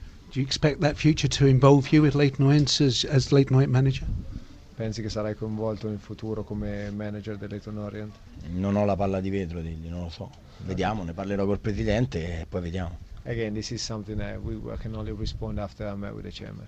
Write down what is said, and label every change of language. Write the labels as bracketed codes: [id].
[en] Do you expect that future to involve you with Leighton Orient as Leighton Orient manager? [it] Pensi che sarai coinvolto in futuro come manager del Leighton Orient? Non ho la palla di vetro, non lo so. Vediamo, ne parlerò col presidente e poi vediamo. [en] Again, this is something that I can only respond after I met with the chairman.